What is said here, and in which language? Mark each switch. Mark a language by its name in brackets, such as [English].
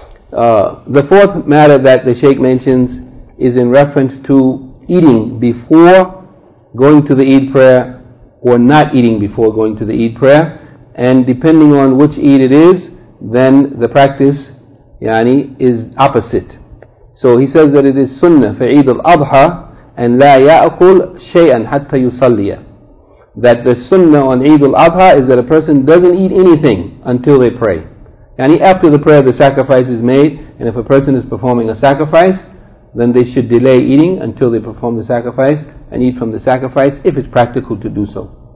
[English] The fourth matter that the Shaykh mentions is in reference to eating before going to the Eid prayer or not eating before going to the Eid prayer. And depending on which Eid it is, then the practice yani is opposite. So he says that it is sunnah for Eid al-Adha [Arabic] and لا يأكل شيئا حتى يصلي. [English] That the sunnah on Eid al-Adha is that a person doesn't eat anything until they pray. Yani after the prayer, the sacrifice is made, and if a person is performing a sacrifice, then they should delay eating until they perform the sacrifice and eat from the sacrifice if it's practical to do so.